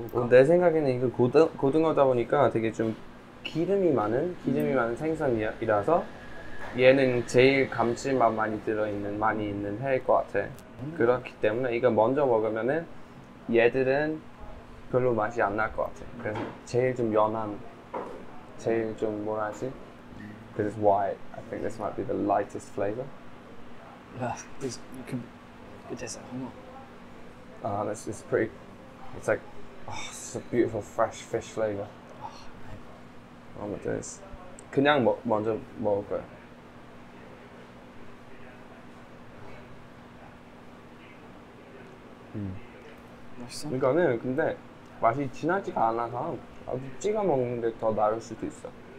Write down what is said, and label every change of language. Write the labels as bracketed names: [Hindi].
[Korean] 내 생각에는 이거 고등어다 보니까 되게 좀 기름이 많은 생선이라서 얘는 제일 감칠맛 많이 들어있는 많이 있는 회일 것 같아. 그렇기 때문에 이거 먼저 먹으면은 얘들은 별로 맛이 안 날 것 같아. 그래서 제일 좀 연한 제일 좀 뭐라 하지? [English] This is white. I think this might be the lightest flavor. Yeah, it's you can get this at home. Ah, this is pretty. It's like, oh, it's a beautiful fresh fish flavor. [Korean] 아무튼 그냥 먼저 먹을 거야. 맛있어? 이거는 근데 맛이 진하지가 않아서 아주 찍어 먹는데 더 나을 수도 있어.